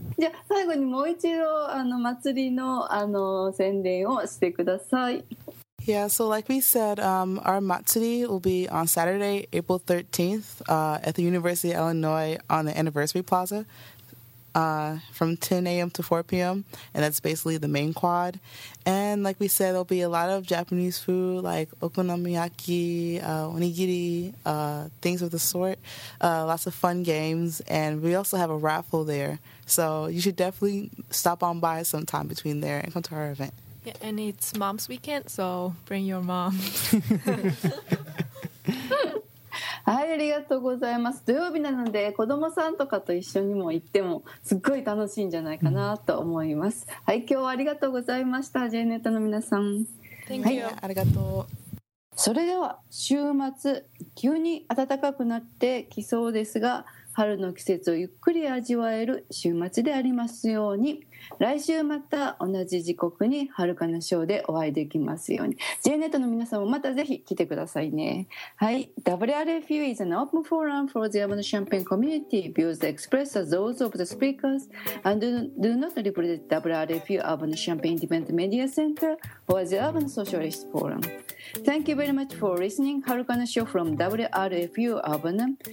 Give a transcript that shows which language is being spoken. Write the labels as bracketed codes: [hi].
[ja] じゃあ最後にもう一度祭りの宣伝をしてください。 [en] Yeah, so like we said, our Matsuri will be on Saturday, April 13th, at the University of Illinois on the Anniversary Plaza. From 10 a.m. to 4 p.m. and that's basically the main quad. And like we said, there'll be a lot of Japanese food like okonomiyaki, onigiri, things of the sort, lots of fun games, and we also have a raffle there. So you should definitely stop on by sometime between there and come to our event. Yeah, and it's mom's weekend, so bring your mom. [ja] はい、ありがとうございます。土曜日なので子供さんとかと一緒にも行ってもすっごい楽しいんじゃないかなと思います。はい、今日はありがとうございました。ジェネットの皆さん、 [en] Thank you. [ja] ありがとう。それでは週末急に暖かくなってきそうですが、春の季節をゆっくり味わえる週末でありますように。来週また同じ時刻に遥かなショーでお会いできますように。 J ネットの皆さんもまたぜひ来てくださいね。はい、 [en] WRFU is an open forum for the Yamano Champagne community. Views expressed as those of the speakers and do not represent WRFU Yamano Champagne Independent Media Center or the Yamano Socialist Forum. Thank you very much for listening to 遥かなショー from WRFU Yamano.